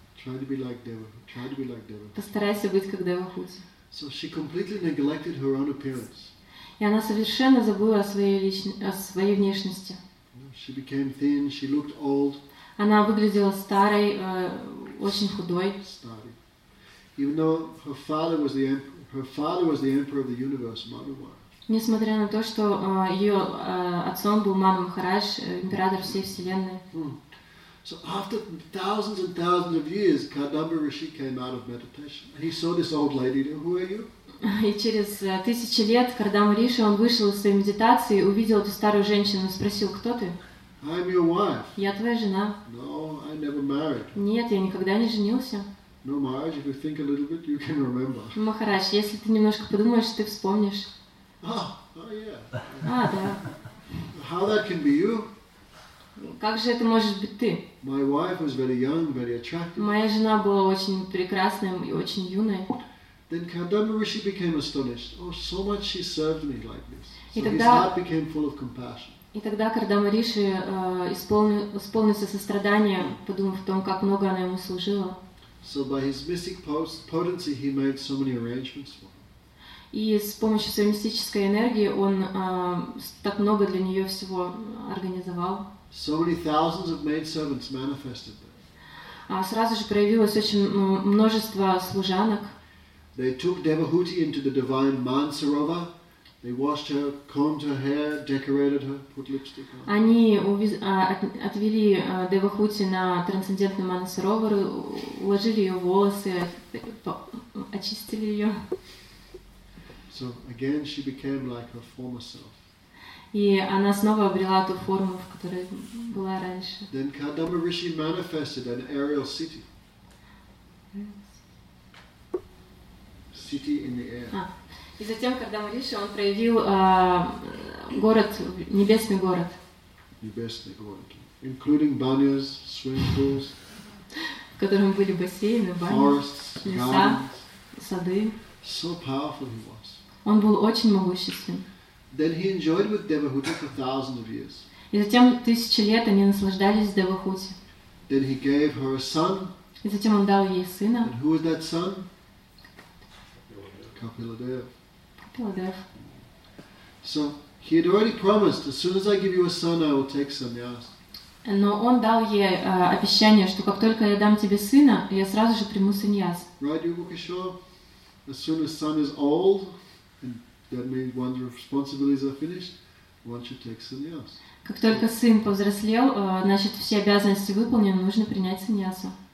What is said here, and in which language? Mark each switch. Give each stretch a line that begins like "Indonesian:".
English: Try to be like Deva. Try to be like Deva.
Russian: Постарайся быть как Девахути.
English: So she completely neglected her own appearance.
Russian: И она совершенно забыла о своей личности, о своей внешности.
English: She became thin, she looked old.
Russian: Она выглядела старой, очень худой.
English: Starting. Even though her father was the emperor of the universe, Manumar.
Russian: Несмотря на то, что ее отцом был Ману Махарадж, император всей вселенной.
English: So after thousands and thousands of years, Kadamba Rishi came out of meditation. And he saw this old lady. Who are you?
Russian: И через тысячи лет Кардама Риши он вышел из своей медитации, увидел эту старую женщину и спросил, кто ты?
English: I'm your wife.
Russian: Я твоя жена.
English: No, I never married.
Russian: Нет, я никогда не женился.
English: No, Maharaj, if you think a little bit, you can remember.
Russian: Махарадж, если ты немножко подумаешь, ты вспомнишь.
English: Oh, yeah.
Russian: А, да.
English: How that can be you?
Russian: Как же это может быть ты?
English: My wife was very young, very attractive.
Russian: Моя жена была очень прекрасной и очень юной.
English: Then Kadamba Rishi became astonished. Oh, so much she served me like this. So his heart became full of compassion.
Russian: И тогда Кардама Риши исполнился состраданием, подумав о том, как много она ему служила.
English: So by his mystic potency, he made so many arrangements for her.
Russian: И с помощью своей мистической энергии он так много для нее всего организовал.
English: So many thousands of maid servants manifested there.
Russian: А сразу же проявилось очень множество служанок.
English: They took Devahuti into the divine Mansarova. They washed her, combed her hair, decorated her, put lipstick on.
Russian: Они отвели Девахути на трансцендентную Мансаровару, уложили ее волосы, очистили ее.
English: So again, she became like her former self.
Russian: И она снова обрела ту форму, в которой была раньше.
English: Then Kadamba Rishi manifested an aerial city. City in the air.
Russian: И затем, когда Кардама Риши, он проявил город, небесный город. Небесный город.
English: Including banyas, swimming pools.
Russian: В котором были бассейны, бани,
English: forests,
Russian: леса,
English: gardens,
Russian: сады.
English: So powerful he was.
Russian: Он был очень могущественен.
English: Then he enjoyed with Devahuti for thousands of years.
Russian: И затем тысячи лет они наслаждались Девахути.
English: Then he gave her a son.
Russian: И затем он дал ей сына.
English: And who was that son? Kapiladev. So he had already promised, as soon as I give you a son, I will take sannyas.
Russian: Но он дал ей обещание, что как только я дам тебе сына, я сразу же приму сannyas.
English: Right, Yuga Kisho? As soon as son is old, and that means one's responsibilities are finished, one should take sannyas.
Russian: Как только сын повзрослел, значит все обязанности выполнены, нужно принять сannyasу.